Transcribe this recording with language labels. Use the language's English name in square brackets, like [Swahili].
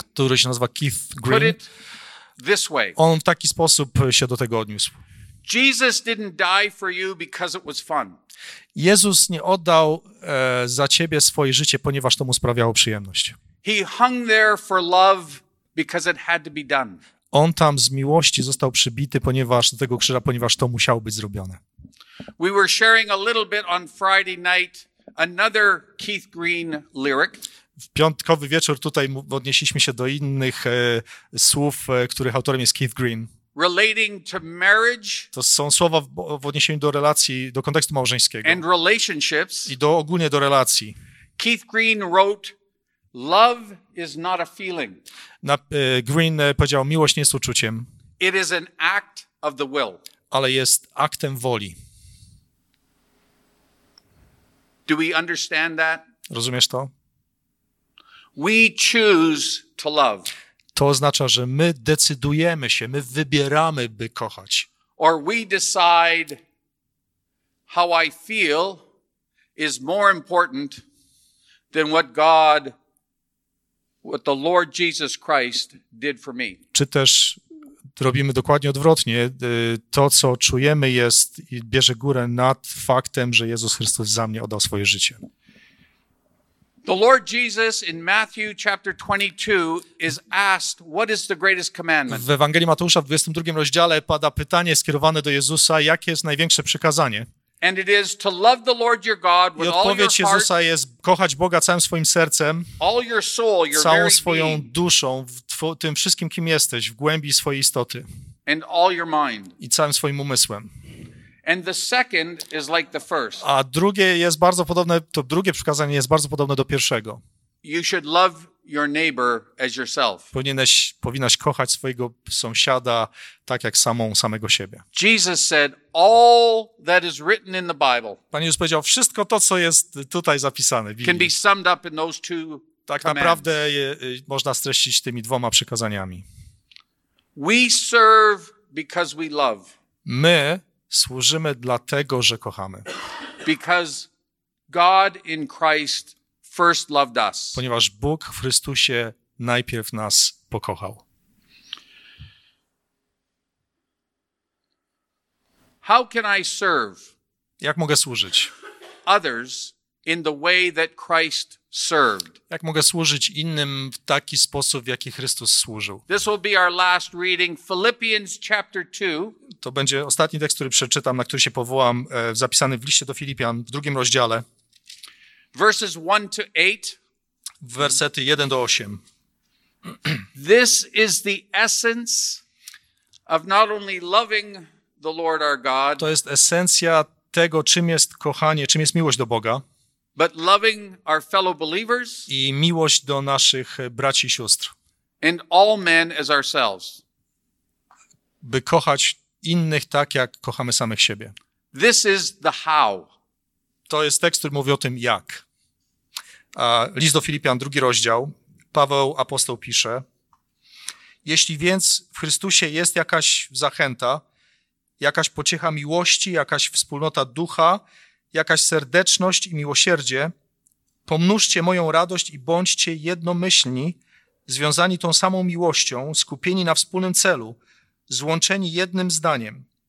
[Polish] Który się nazywa Keith Green. [English] Put it this way. [Polish] On w taki sposób się do tego odniósł. [English] Jesus didn't die for you because it was fun. [Polish] Jezus nie oddał za ciebie swoje życie, ponieważ to mu sprawiało przyjemność. [English] He hung there for love because it had to be done. [Polish] On tam z miłości został przybity, ponieważ do tego krzyża, ponieważ to musiało być zrobione. [English] We were sharing a little bit on Friday night another Keith Green lyric. [Polish] W piątkowy wieczór tutaj odnieśliśmy się do innych słów, których autorem jest Keith Green. [English] Relating to marriage. [Polish] To są słowa w odniesieniu do relacji, do kontekstu małżeńskiego. [English] And relationships. [Polish] I do ogólnie do relacji. [English] Keith Green wrote, love is not a feeling. [Polish] Green powiedział, miłość nie jest uczuciem. [English] It is an act of the will. [Polish] Ale jest aktem woli. [English] Do we understand that? [Polish] Rozumiesz to? [English] We choose to love. [Polish] To oznacza, że my decydujemy się, my wybieramy, by kochać. [English] Or we decide how I feel is more important than what God, what the Lord Jesus Christ did for me. [Polish] Czy też robimy dokładnie odwrotnie. To, co czujemy, jest i bierze górę nad faktem, że Jezus Chrystus za mnie oddał swoje życie. [English] The Lord Jesus in Matthew chapter 22 is asked, what is the greatest commandment? [Polish] W Ewangelii Mateusza w 22 rozdziale pada pytanie skierowane do Jezusa, jakie jest największe przykazanie? [English] And it is to love the Lord your God with all your heart. [Polish] I odpowiedź Jezusa jest kochać Boga całym swoim sercem, [English] all your soul, your [Polish] całą swoją duszą, tym wszystkim, kim jesteś, w głębi swojej istoty. [English] And all your mind. [Polish] I całym swoim umysłem. [English] And the second is like the first. [Polish] A drugie jest bardzo podobne, to drugie przykazanie jest bardzo podobne do pierwszego. [English] You should love your neighbor as yourself. [Polish] Powinnaś kochać swojego sąsiada tak jak samego siebie. [English] Jesus said, all that is written in the Bible. [Polish] Pan Jezus powiedział, wszystko to, co jest tutaj zapisane w Biblii. [English] Can be summed up in those two commands. [Polish] Tak naprawdę można streścić tymi dwoma przykazaniami. [English] We serve because we love. [Polish] My służymy dlatego, że kochamy. [English] Because God in Christ first loved us. [Polish] Ponieważ Bóg w Chrystusie najpierw nas pokochał. [English] How can I serve? [Polish] Jak mogę służyć? [English] Others in the way that Christ served. [Polish] Jak mogę służyć innym w taki sposób, w jaki Chrystus służył? [English] This will be our last reading, Philippians chapter 2. [Polish] To będzie ostatni tekst, który przeczytam, na który się powołam, zapisany w liście do Filipian w drugim rozdziale. [English] Verses 1 to 8. [Polish] Wersety 1 do 8. [English] This is the essence of not only loving the Lord our God. [Polish] To jest esencja tego, czym jest kochanie, czym jest miłość do Boga. [English] But loving our fellow believers. [Polish] I miłość do naszych braci i sióstr. [English] And all men as ourselves. [Polish] By kochać innych tak, jak kochamy samych siebie. [English] This is the how. [Polish] To jest tekst, który mówi o tym, jak. List do Filipian, drugi rozdział. Paweł, apostoł, pisze. Jeśli więc w Chrystusie jest jakaś zachęta, jakaś pociecha miłości, jakaś wspólnota ducha, jakaś serdeczność i miłosierdzie, pomnóżcie moją radość i bądźcie jednomyślni, związani tą samą miłością, skupieni na wspólnym celu, złączeni jednym zdaniem.